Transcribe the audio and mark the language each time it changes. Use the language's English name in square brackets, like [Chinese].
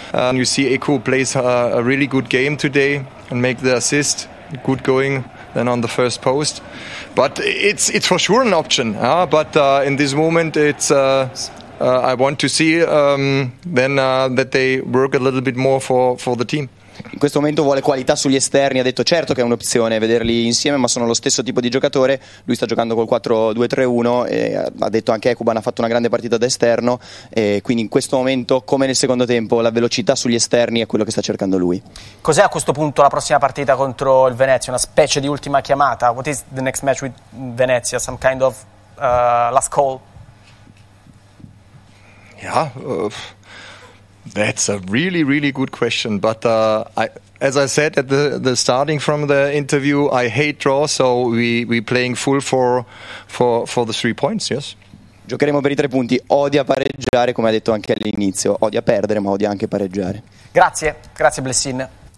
[English] You see, Eku plays a really good game today and make the assist. Good going then on the first post, but it's for sure an option. But in this moment, it's. I want to see that they work a little bit more for the team. [Italian] In questo momento vuole qualità sugli esterni, ha detto certo che è un'opzione vederli insieme, ma sono lo stesso tipo di giocatore. Lui sta giocando col 4-2-3-1 e ha detto anche Ekuban ha fatto una grande partita da esterno, e quindi in questo momento, come nel secondo tempo, la velocità sugli esterni è quello che sta cercando lui. Cos'è a questo punto la prossima partita contro il Venezia, una specie di ultima chiamata? [English] What is the next match with Venezia, some kind of last call? Yeah, that's a really, really good question. But as I said at the starting from the interview, I hate draw, so we playing full for the 3 points. Yes. [Italian] Giocheremo per i tre punti. Odia pareggiare, come ha detto anche all'inizio. Odia perdere, ma odia anche pareggiare. Grazie Blessin.